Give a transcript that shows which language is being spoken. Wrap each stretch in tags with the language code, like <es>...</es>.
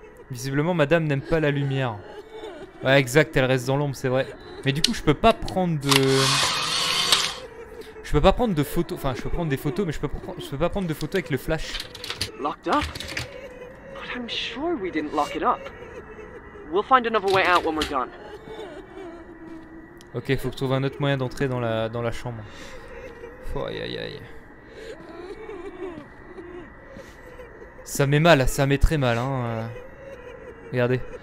<fr>Visiblement, madame n'aime pas la lumière. Ouais, exact, elle reste dans l'ombre, c'est vrai. Mais du coup, je peux pas prendre de... Je peux pas prendre de photos... Enfin, je peux prendre des photos, mais je peux pas prendre de photos avec le flash.</fr> <en>Locked up? But I'm sure we didn't lock it up. We'll find another way out when we're done.</en> <fr>Ok, faut trouver un autre moyen d'entrer dans la chambre. Aïe, aïe, aïe. Ça met mal, ça met très mal, hein. Regardez.</fr>